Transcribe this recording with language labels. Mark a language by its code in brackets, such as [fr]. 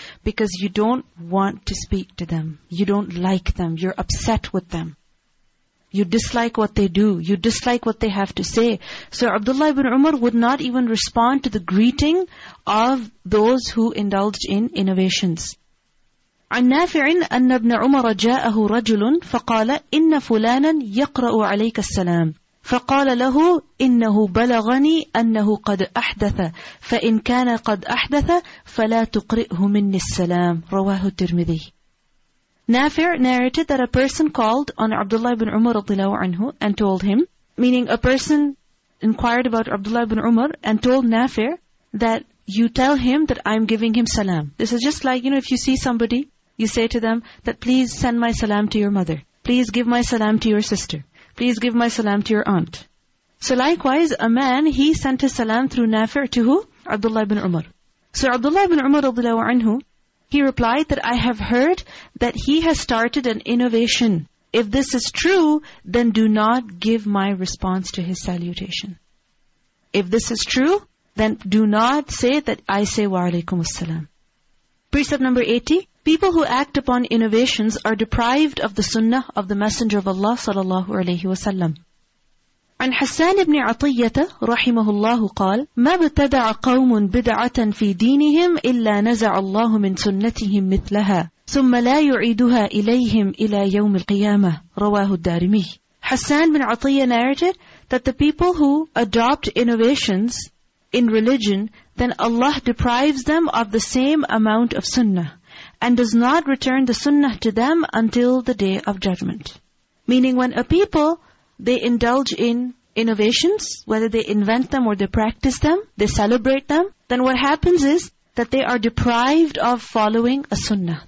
[en] Because you don't want to speak to them. You don't like them. You're upset with them. You dislike what they do. You dislike what they have to say. So Abdullah ibn Umar would not even respond to the greeting of those who indulged in innovations. [ar] عن نافع أن ابن عمر جاءه رجل فقال إن فلانا يقرأ عليك السلام فقال له إنه بلغني أنه قد أحدث فإن كان قد أحدث فلا تقرئه مني السلام رواه الترمذي. [en] نافع narrated that a person called on Abdullah ibn Umar رضي الله عنه and told him, meaning a person inquired about Abdullah ibn Umar and told نافع that you tell him that I'm giving him salam. This is just like, you know, if you see somebody, you say to them that please send my salam to your mother. Please give my salam to your sister. Please give my salam to your aunt. So likewise, a man, he sent his salam through Nafir to who? Abdullah ibn Umar. So Abdullah ibn Umar radiallahu anhu, he replied that I have heard that he has started an innovation. If this is true, then do not give my response to his salutation. If this is true, then do not say that I say wa alaykum as-salam. Precept number 80. People who act upon innovations are deprived of the sunnah of the Messenger of Allah sallallahu alayhi wa sallam. [ar] عن حسان بن عطية رحمه الله قال ما ابتدع قوم بدعة في دينهم إلا نزع الله من سنتهم مثلها ثم لا يعيدها إليهم إلى يوم القيامة رواه الدارمي. [en] حسان بن عطية narrated that the people who adopt innovations in religion, then Allah deprives them of the same amount of sunnah and does not return the sunnah to them until the day of judgment. Meaning when a people, they indulge in innovations, whether they invent them or they practice them, they celebrate them, then what happens is that they are deprived of following a sunnah.